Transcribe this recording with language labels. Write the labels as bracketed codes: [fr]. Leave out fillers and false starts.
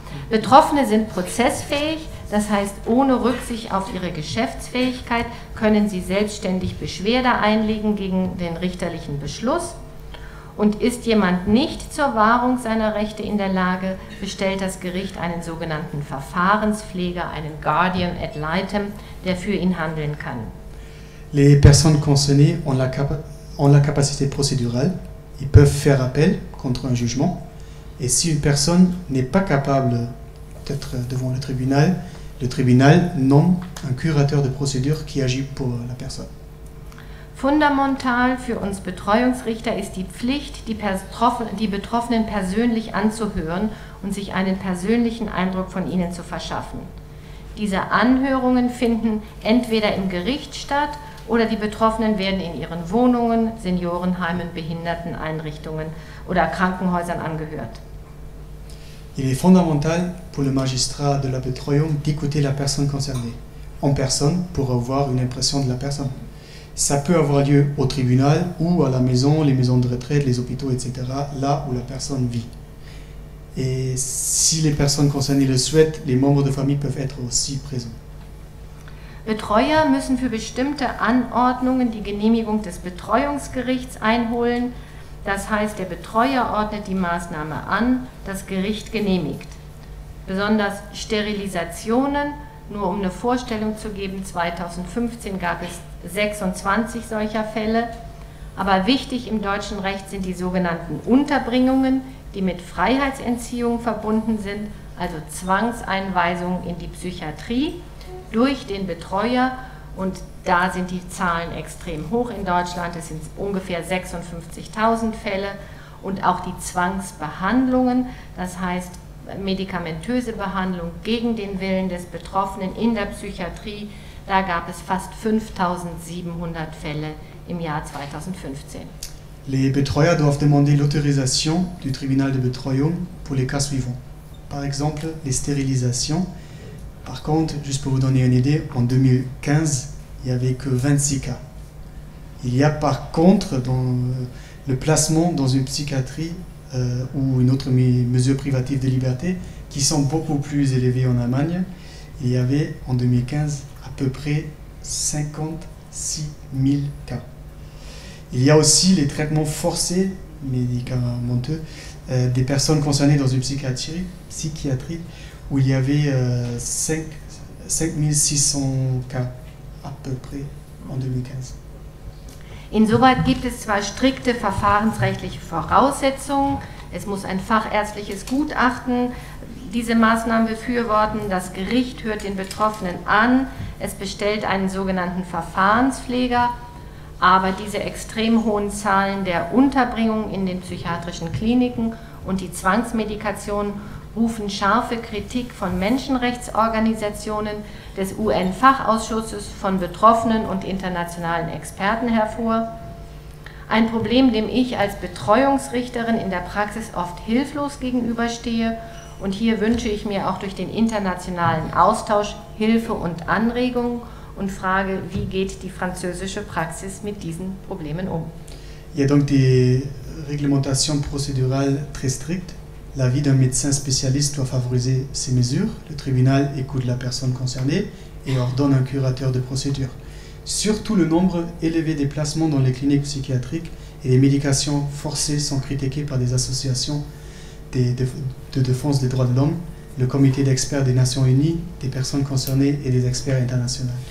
[de] Betroffene sind prozessfähig, das heißt, ohne Rücksicht auf ihre Geschäftsfähigkeit können sie selbstständig Beschwerde einlegen gegen den richterlichen Beschluss. Und ist jemand nicht zur Wahrung seiner Rechte in der Lage, bestellt das Gericht einen sogenannten Verfahrenspfleger, einen Guardian ad litem, der für ihn handeln kann. [fr] Les personnes concernées ont la capacité procédurale. Ils peuvent faire appel contre un jugement. Et si une personne n'est pas capable d'être devant le tribunal nomme un curateur de procédure qui agit pour la personne. [de] Fondamental für uns Betreuungsrichter ist die Pflicht, die Betroffenen persönlich anzuhören und sich einen persönlichen Eindruck von ihnen zu verschaffen. Diese Anhörungen finden entweder im Gericht statt oder die Betroffenen werden in ihren Wohnungen, Seniorenheimen, Behinderteneinrichtungen oder Krankenhäusern angehört. [fr] Il est fondamental pour le magistrat de la Betreuung d'écouter la personne concernée en personne pour avoir une impression de la personne. Ça peut avoir lieu au tribunal ou à la maison, les maisons de retraite, les hôpitaux, etc., là où la personne vit. Et si les personnes concernées le souhaitent, les membres de famille peuvent être aussi présents. [de] Betreuer müssen für bestimmte Anordnungen die Genehmigung des Betreuungsgerichts einholen. Das heißt, der Betreuer ordnet die Maßnahme an, das Gericht genehmigt. Besonders Sterilisationen, nur um eine Vorstellung zu geben, 2015 gab es 26 solcher Fälle. Aber wichtig im deutschen Recht sind die sogenannten Unterbringungen, die mit Freiheitsentziehung verbunden sind, also Zwangseinweisungen in die Psychiatrie durch den Betreuer. Und da sind die Zahlen extrem hoch in Deutschland. Es sind ungefähr 56.000 Fälle. Und auch die Zwangsbehandlungen, das heißt medikamentöse Behandlung gegen den Willen des Betroffenen in der Psychiatrie, da gab es fast 5.700 Fälle im Jahr 2015. [fr] Les Betreuer doivent demander l'autorisation du tribunal de Betreuung pour les cas suivants. Par exemple, les stérilisations. Par contre, juste pour vous donner une idée, en 2015, il n'y avait que 26 cas. Il y a par contre dans le placement dans une psychiatrie ou une autre mesure privative de liberté qui sont beaucoup plus élevées en Allemagne. Il y avait en 2015 à peu près 56 000 cas. Il y a aussi les traitements forcés médicamenteux des personnes concernées dans une psychiatrie où il y avait 5600 cas à peu près en 2015. [de] Insoweit gibt es zwar strikte verfahrensrechtliche Voraussetzungen, es muss ein fachärztliches Gutachten diese Maßnahmen befürworten, das Gericht hört den Betroffenen an, es bestellt einen sogenannten Verfahrenspfleger. Aber diese extrem hohen Zahlen der Unterbringung in den psychiatrischen Kliniken und die Zwangsmedikation rufen scharfe Kritik von Menschenrechtsorganisationen, des UN-Fachausschusses, von Betroffenen und internationalen Experten hervor. Ein Problem, dem ich als Betreuungsrichterin in der Praxis oft hilflos gegenüberstehe. Und hier wünsche ich mir auch durch den internationalen Austausch Hilfe und Anregung. Und frage, wie geht die französische Praxis mit diesen Problemen um? [fr] Il y a donc des réglementations procédurales très strictes. L'avis d'un médecin spécialiste doit favoriser ces mesures. Le tribunal écoute la personne concernée et ordonne un curateur de procédure. Surtout, le nombre élevé des placements dans les cliniques psychiatriques et les médications forcées sont critiqués par des associations de défense des droits de l'homme, le comité d'experts des Nations Unies, des personnes concernées et des experts internationaux.